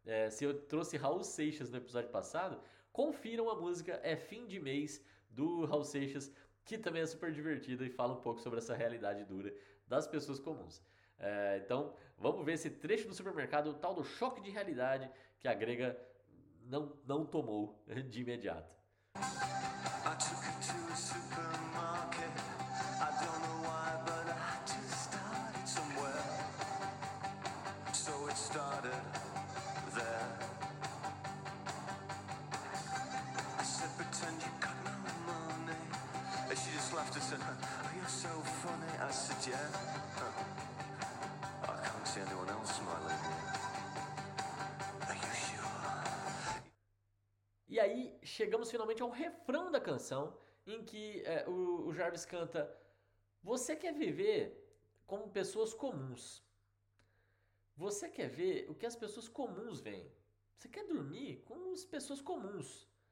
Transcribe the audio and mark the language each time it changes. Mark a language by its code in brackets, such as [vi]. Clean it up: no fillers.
[pt] Se eu trouxe Raul Seixas no episódio passado, confiram a música É Fim de Mês, do Raul Seixas, que também é super divertida e fala um pouco sobre essa realidade dura das pessoas comuns. Então, vamos ver esse trecho do supermercado, o tal do choque de realidade que a grega não tomou de imediato. [en] I took her to a supermarket. I don't know why, but I had to start it somewhere. So it started there. I said, pretend you got no money. And she just laughed and said, oh, you're so funny. I said, yeah. I can't see anyone else smiling. [pt] E aí chegamos finalmente ao refrão da canção, em que o Jarvis canta: "Você quer viver como pessoas comuns. Você quer ver o que as pessoas comuns veem. Você quer dormir com as pessoas comuns.